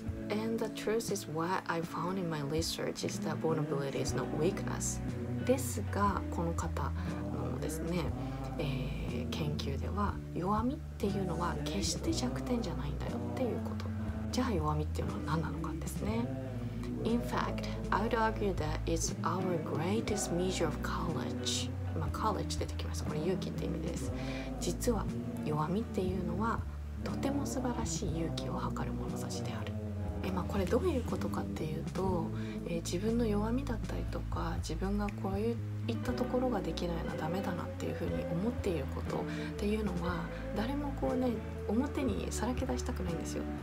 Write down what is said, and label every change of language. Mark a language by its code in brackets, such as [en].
[en] And the truth is what I found in my research is that vulnerability is not weakness。 [ja] ですがこの方のですね、研究では弱みっていうのは決して弱点じゃないんだよっていうこと。じゃあ弱みっていうのは何なのかですね。 [en] In fact, I would argue that it's our greatest measure of courage。 [ja] まあ courage 出てきました、これ勇気って意味です。実は弱みっていうのはとても素晴らしい勇気を測る物差しである。まあ、これどういうことかっていうと、自分の弱みだったりとか自分がこういったところができないのはダメだなっていうふうに思っていることっていうのは誰もこうね表にさらけ出したくないんですよ。